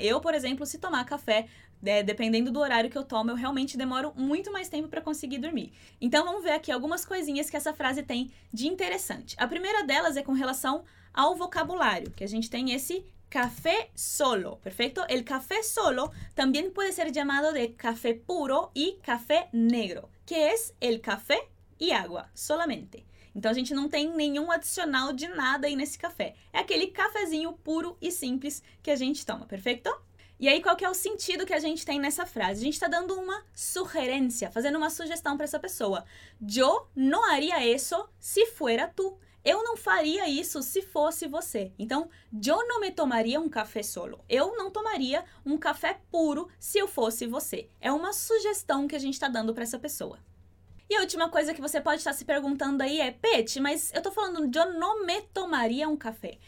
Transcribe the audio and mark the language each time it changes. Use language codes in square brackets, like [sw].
[pt] Eu, por exemplo, se tomar café, dependendo do horário que eu tomo, eu realmente demoro muito mais tempo para conseguir dormir. Então, vamos ver aqui algumas coisinhas que essa frase tem de interessante. A primeira delas é com relação ao vocabulário, que a gente tem esse café solo, perfeito? [es] El café solo también puede ser llamado de café puro y café negro, que es el café y agua, solamente. [pt] Então, a gente não tem nenhum adicional de nada aí nesse café. É aquele cafezinho puro e simples que a gente toma, perfeito? E aí, qual que é o sentido que a gente tem nessa frase? A gente está dando uma sugerência, fazendo uma sugestão para essa pessoa. [es] Yo no haría eso si fuera tú. [pt] Eu não faria isso se fosse você. Então, [es] yo no me tomaría un café solo. [pt] Eu não tomaria um café puro se eu fosse você. É uma sugestão que a gente está dando para essa pessoa. E a última coisa que você pode estar se perguntando aí é, Pet, mas eu estou falando [es] yo no me tomaría un café.